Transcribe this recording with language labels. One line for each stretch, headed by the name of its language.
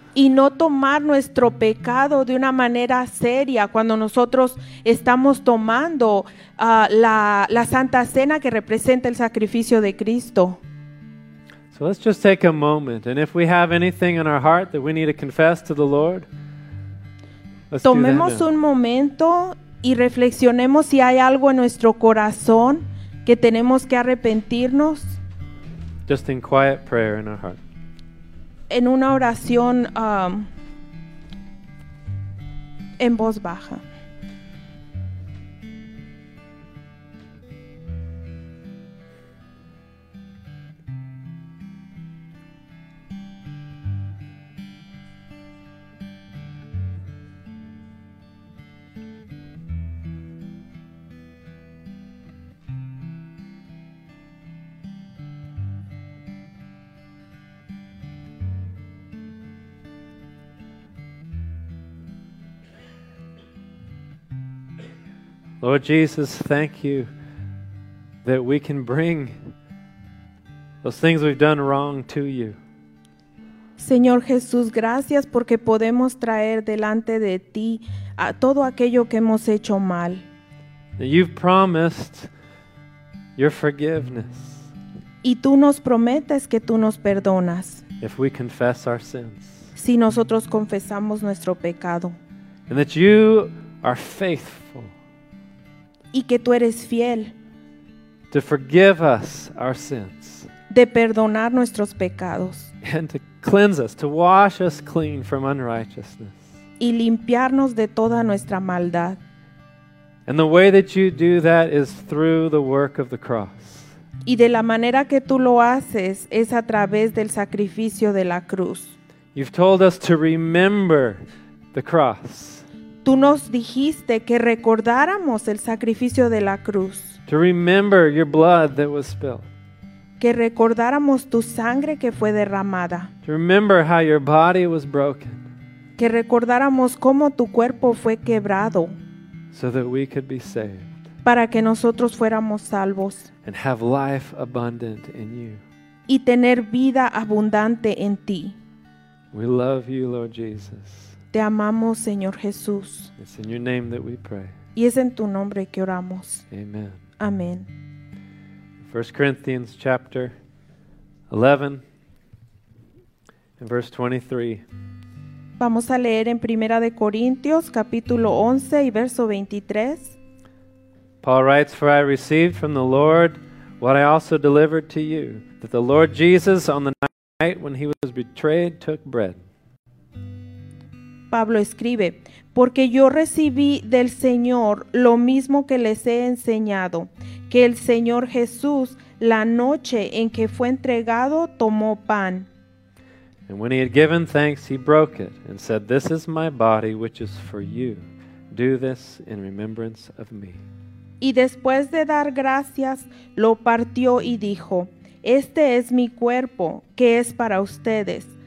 Spanish: Y no tomar nuestro pecado de una manera seria cuando nosotros estamos tomando la Santa Cena que representa el sacrificio de Cristo.
English: So let's just take a moment, and if we have anything in our heart that we need to confess to the Lord, let's
Spanish: tomemos un momento y reflexionemos si hay algo en nuestro corazón que tenemos que arrepentirnos.
English: Just in quiet prayer in our heart.
Spanish: En una oración en voz baja.
English: Lord Jesus, thank you that we can bring those things we've done wrong to you.
Spanish: Señor Jesús, gracias porque podemos traer delante de ti a todo aquello que hemos hecho mal.
English: You've promised your forgiveness.
Spanish: Y tú nos prometes que tú nos perdonas.
English: If we confess our sins.
Spanish: Si nosotros confesamos nuestro pecado.
English: And that you are faithful.
Spanish: Y que tú eres fiel.
English: To forgive us our sins.
Spanish: De perdonar nuestros pecados.
English: And to cleanse us, to wash us clean from unrighteousness.
Spanish: Y limpiarnos de toda nuestra maldad.
English: And the way that you do that is through the work of the cross.
Spanish: Y de la manera que tú lo haces es a través del sacrificio de la cruz.
English: You've told us to remember the cross.
Spanish: Tú nos dijiste que recordáramos el sacrificio de la cruz.
English: To remember your blood that was spilled.
Spanish: Que recordáramos tu sangre que fue derramada.
English: To remember how your body was broken.
Spanish: Que recordáramos cómo tu cuerpo fue quebrado.
English: So that we could be saved.
Spanish: Para que nosotros fuéramos salvos.
English: And have life abundant in you.
Spanish: Y tener vida abundante en ti.
English: We love you, Lord Jesus.
Spanish: Te amamos, Señor Jesús.
English: It's in your name that we pray.
Spanish: Y es en tu nombre que oramos.
English: Amen.
Spanish: Amén.
English: 1 Corinthians chapter 11 and verse 23.
Spanish: Vamos a leer en Primera de Corintios capítulo 11 y verso 23.
English: Paul writes, "For I received from the Lord what I also delivered to you, that the Lord Jesus on the night when he was betrayed took bread."
Spanish: Pablo escribe, porque yo recibí del Señor lo mismo que les he enseñado, que el Señor Jesús, la noche en que fue entregado, tomó pan.
English: And when he had given thanks, he broke it and said, "This is my body, which is for you. Do this in remembrance of me."
Spanish: Y después de dar gracias, lo partió y dijo, "Este es mi cuerpo, que es para ustedes.